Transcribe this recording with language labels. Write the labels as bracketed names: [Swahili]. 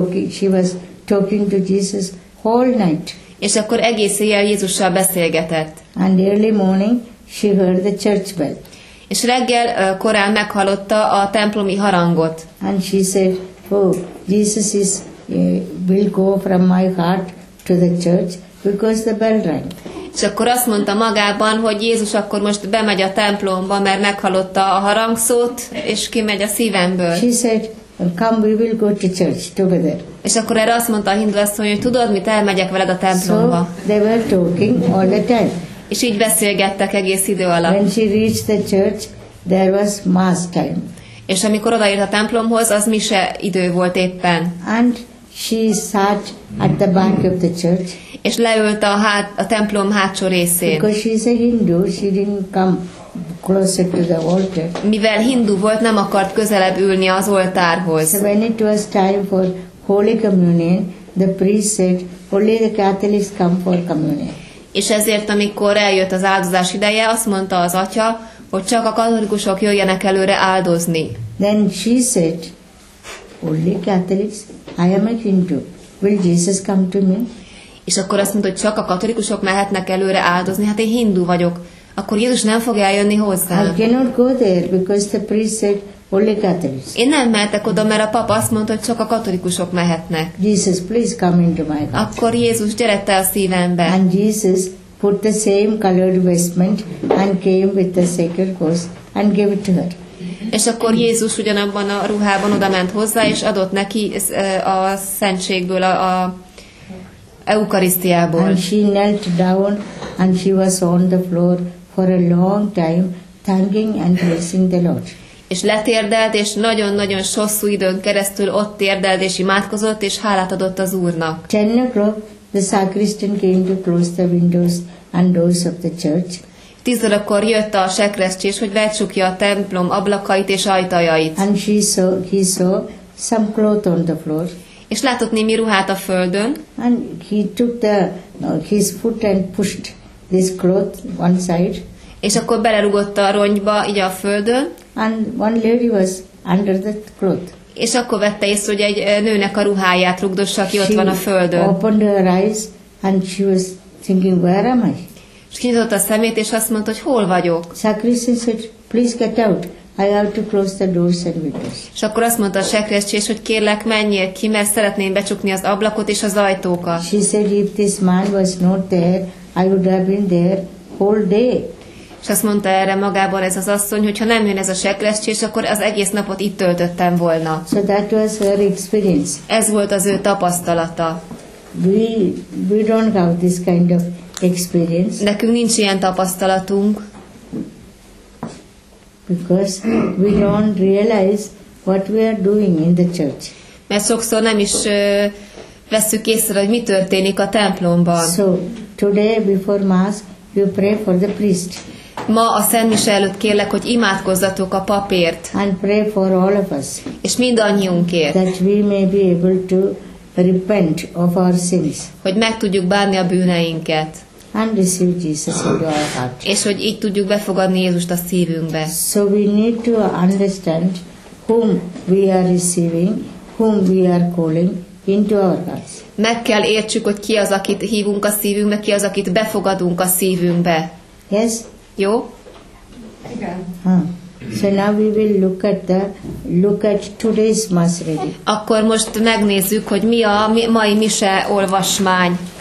[English] She was talking to Jesus whole night. [Hungarian] És akkor egész éjjel Jézussal beszélgetett. [English] And early morning, she heard the church bell. [Hungarian] És reggel korán meghallotta a templomi harangot. [English] And she said, oh, Jesus is will go from my heart to the church because the bell rang. [Hungarian] És akkor azt mondta magában, hogy Jézus akkor most bemegy a templomba, mert meghallotta a harangszót, és kimegy a szívemből. [English] She said, come, we will go to church together. [Hungarian] És akkor erre azt mondta a hindu asszony, hogy tudod mit, elmegyek veled a templomba. [English] So they were talking all the time. [Hungarian] És így beszélgettek egész idő alatt. [English] When she reached the church, there was mass time. [Hungarian] És amikor odaért a templomhoz, az mise idő volt éppen. [English] And she sat at the back of the church. [Hungarian] És leült a templom hátsó részén. [English] Because she is a Hindu, she didn't come closer to the altar. [Hungarian] Mivel hindu volt, nem akart közelebb ülni az oltárhoz. [English] So when it was time for Holy Communion, the priest said, only the Catholics come for communion. [Hungarian] És ezért, amikor eljött az áldozás ideje, azt mondta az atya, hogy csak a katolikusok jöjjenek előre áldozni. [English] Then she said, only Catholics, I am a Hindu. Will Jesus come to me? [Hungarian] És akkor azt mondta, hogy csak a katolikusok mehetnek előre áldozni. Hát én hindu vagyok. Akkor Jézus nem fog eljönni hozzám. [English] I cannot go there because the priest said, only Catholics. [Hungarian] Én nem mehetek oda, mert a pap azt mondta, hogy csak a katolikusok mehetnek. [English] Jesus, please come into my heart. [Hungarian] Akkor Jézus, gyere te a szívembe. [English] And Jesus put the same colored vestment and came with the sacred host and gave it to her. [Hungarian] És akkor Jézus ugyanabban a ruhában odament hozzá, és adott neki a szentségből, a eukarisztiából. [English] And she knelt down and she was on the floor for a long time thanking and praising the Lord. [Hungarian] És letérdelt, és nagyon-nagyon hosszú időn keresztül ott térdelt, és imádkozott, és hálát adott az Úrnak. [English] 10 o'clock, the sacristan came to close the windows and doors of the church. [Hungarian] 10 órakor jött a sekrestés, hogy becsukja a templom ablakait és ajtajait. [English] And he saw some cloth on the floor. [Hungarian] És látott némi ruhát a földön. [English] And he took his foot and pushed this cloth one side. [Hungarian] És akkor belerugott a rongyba, így a földön. [English] And one lady was under that cloth. [Hungarian] És akkor vette észre, hogy egy nőnek a ruháját rugdossa, aki ott van a földön. [English] She opened her eyes, and she was thinking, where am I? [Hungarian] És kinyitott a szemét, és azt mondta, hogy hol vagyok. [English] Sacristan said, please get out. I have to close the doors and windows. [Hungarian] És akkor azt mondta a sekrestés, hogy kérlek, menjél ki, mert szeretném becsukni az ablakot és az ajtókat. [English] She said, if this man was not there, I would have been there whole day. [Hungarian] És azt mondta erre magában ez az asszony, hogy ha nem jön ez a sekrestés, akkor az egész napot itt töltöttem volna. [English] So that was her experience. [Hungarian] Ez volt az ő tapasztalata. [English] We don't have this kind of experience. [Hungarian] Nekünk nincs ilyen tapasztalatunk. [English] Because we don't realize what we are doing in the church. [Hungarian] Mert sokszor nem is veszük észre, hogy mi történik a templomban. [English] So today before mass you pray for the priest. [Hungarian] Ma a szentmise előtt kérlek, hogy imádkozzatok a papért. [English] And pray for all of us. [Hungarian] És mindannyiunkért. [English] That we may be able to repent of our sins. [Hungarian] Hogy meg tudjuk bánni a bűneinket. [English] And receive Jesus into our heart. [Hungarian] És hogy így tudjuk befogadni Jézust a szívünkbe. [English] So we need to understand whom we are receiving, whom we are calling into our hearts. [Hungarian] Meg kell értsük, hogy ki az, akit hívunk a szívünkbe, ki az, akit befogadunk a szívünkbe. [English] Yes? [Hungarian] Jó. Igen. [English] So now we will look at today's mass reading. [Hungarian] Akkor most megnézzük, hogy mi a mai mise olvasmány.